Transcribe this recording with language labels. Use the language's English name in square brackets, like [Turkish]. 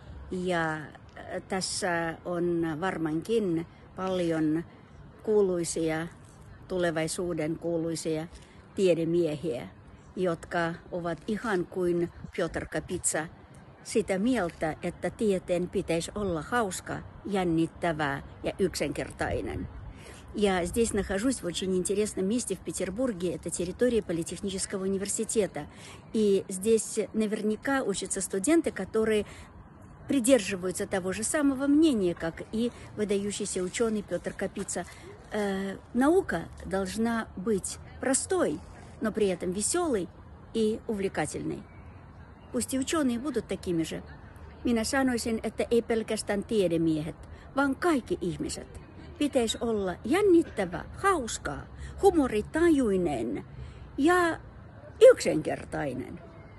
[Finnish] Ja tässä on varmaankin paljon kuuluisia, tulevaisuuden kuuluisia tiedemiehiä, jotka ovat ihan kuin Piotr Kapitsa sitä mieltä, että tieteen pitäisi olla hauska, jännittävää ja yksinkertainen. [Russian] Я здесь нахожусь в очень интересном месте в Петербурге. Это территория Политехнического университета. И здесь наверняка учатся студенты, которые придерживаются того же самого мнения, как и выдающийся ученый Петр Капица. Наука должна быть простой, но при этом веселой и увлекательной. Пусть и ученые будут такими же. [Finnish] Minä sanoisin, että ei pelkästään tiedemiehet, vaan kaikki ihmiset. Pitäisi olla jännittävä, hauskaa, humoritajuinen ja yksinkertainen.